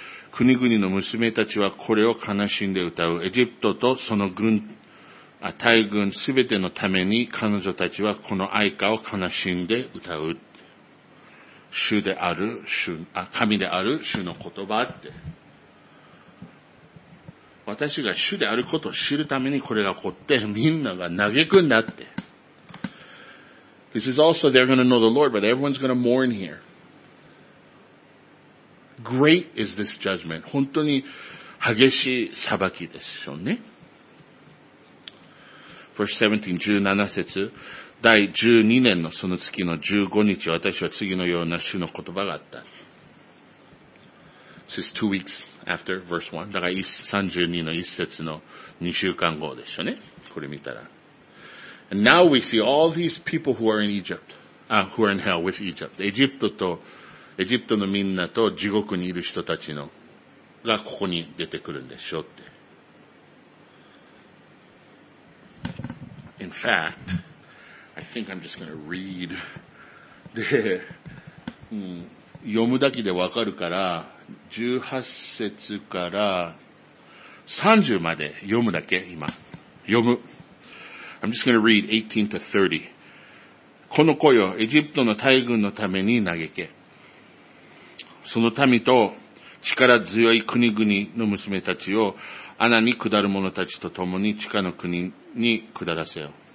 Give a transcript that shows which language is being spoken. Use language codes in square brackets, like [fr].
[ja] 国々の娘たちはこれを悲しんで歌う。エジプトとその大軍すべてのために彼女たちはこの哀歌を悲しんで歌う。神である主の言葉って。私が主であることを知るためにこれが起こって、みんなが嘆くんだって。 [en] This is also they're going to know the Lord, but everyone's going to mourn here. Great is this judgment. [ja] 本当に激しい裁きでしょうね。 [en] Verse 17節。 [ja] 第12年のその月の15日、私は次のような主の言葉があった。 [en] This is 2 weeks after verse 1. [ja] だから32の1節の2週間後でしょうね。これ見たら。 [en] And now we see all these people who are in Egypt, who are in hell with Egypt. [ja] エジプトのみんなと地獄にいる人たちのがここに出てくるんでしょうって。 [en] In fact,I think I'm just gonna read. [ja] で、読むだけでわかるから、18節から30まで読むだけ、今。 [en] 読む。I'm just gonna read 18 to 30. [ja] この声をエジプトの大軍のために嘆け。その民と力強い国々の娘たちを穴に下る者たちと共に地下の国に下らせよ。